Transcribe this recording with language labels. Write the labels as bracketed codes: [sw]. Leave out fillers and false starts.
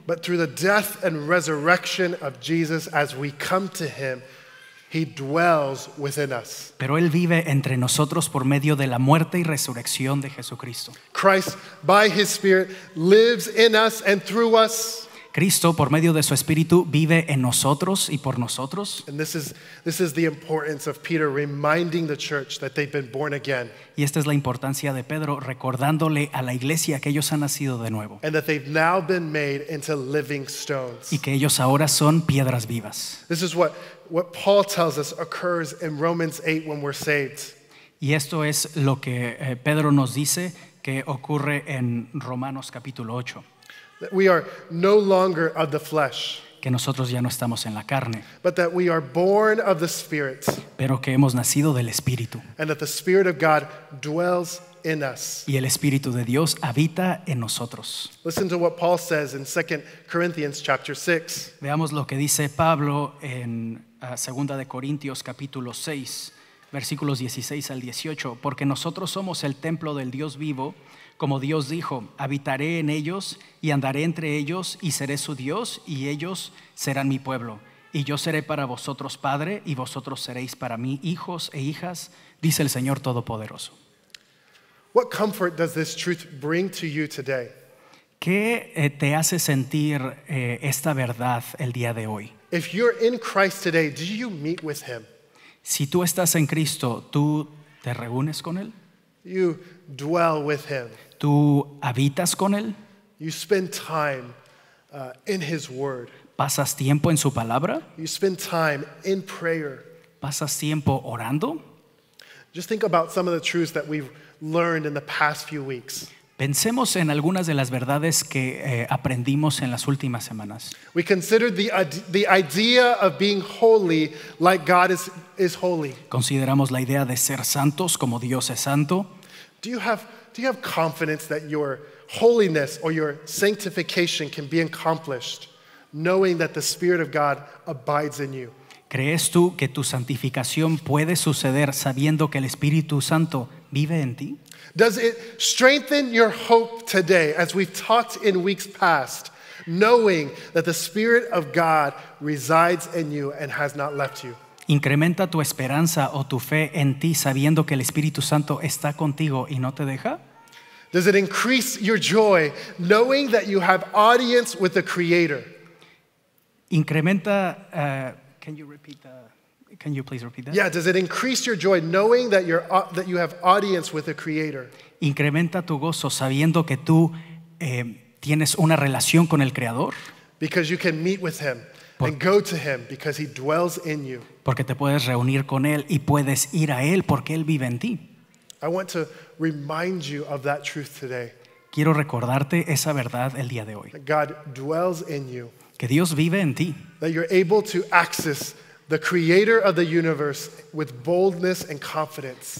[en] But through the death and resurrection of Jesus, as we come to him, he dwells within us. [es] Pero él vive entre nosotros por medio de la muerte y resurrección de Jesucristo. [en] Christ by his spirit lives in us and through us. [es] Cristo, por medio de su Espíritu, vive en nosotros y por nosotros. [en] And this is the importance of Peter reminding the church that they've been born again. [es] Y esta es la importancia de Pedro recordándole a la iglesia que ellos han nacido de nuevo. [en] And that they've now been made into living stones. [es] Y que ellos ahora son piedras vivas. [en] This is what Paul tells us occurs in Romans 8 when we're saved. [es] Y esto es lo que Pedro nos dice que ocurre en Romanos capítulo 8. [en] That we are no longer of the flesh. [es] Que nosotros ya no estamos en la carne. [en] But that we are born of the Spirit. [es] Pero que hemos nacido del Espíritu. [en] And that the Spirit of God dwells in us. [es] Y el Espíritu de Dios habita en nosotros. [en] Listen to what Paul says in 2 Corinthians chapter 6. [es] Veamos lo que dice Pablo en 2 de Corintios capítulo 6, versículos 16 al 18. Porque nosotros somos el templo del Dios vivo, como Dios dijo, habitaré en ellos y andaré entre ellos y seré su Dios y ellos serán mi pueblo. Y yo seré para vosotros padre y vosotros seréis para mí hijos e hijas, dice el Señor Todopoderoso. [en] What comfort does this truth bring to you today? [es] ¿Qué te hace sentir esta verdad el día de hoy? [en] If you're in Christ today, do you meet with him? [es] Si tú estás en Cristo, ¿tú te reúnes con él? [en] You dwell with him. [es] ¿Tú habitas con él? [en] You spend time in his word. [es] ¿Pasas tiempo en su palabra? [en] You spend time in prayer. [es] ¿Pasas tiempo orando? [en] Just think about some of the truths that we've learned in the past few weeks. [es] Pensemos en algunas de las verdades que aprendimos en las últimas semanas. [en] We considered the idea of being holy like God is holy. [es] Consideramos la idea de ser santos como Dios es santo. [en] Do you have confidence that your holiness or your sanctification can be accomplished knowing that the Spirit of God abides in you? [es] ¿Crees tú que tu santificación puede suceder sabiendo que el Espíritu Santo vive en ti? [en] Does it strengthen your hope today, as we've talked in weeks past, knowing that the Spirit of God resides in you and has not left you? [es] ¿Incrementa tu esperanza o tu fe en ti sabiendo que el Espíritu Santo está contigo y no te deja? [en] Does it increase your joy knowing that you have audience with the Creator? [es] ¿Incrementa [en] Can you please repeat that? Yeah, does it increase your joy knowing that you have audience with the Creator? [es] ¿Incrementa tu gozo sabiendo que tú tienes una relación con el Creador? [en] Because you can meet with him and go to him because he dwells in you. [es] Porque te puedes reunir con él y puedes ir a él porque él vive en ti. [en] I want to remind you of that truth today. [es] Quiero recordarte esa verdad el día de hoy. [en] God dwells in you. [es] Que Dios vive en ti. [en] That you're able to access the Creator of the universe with boldness and confidence.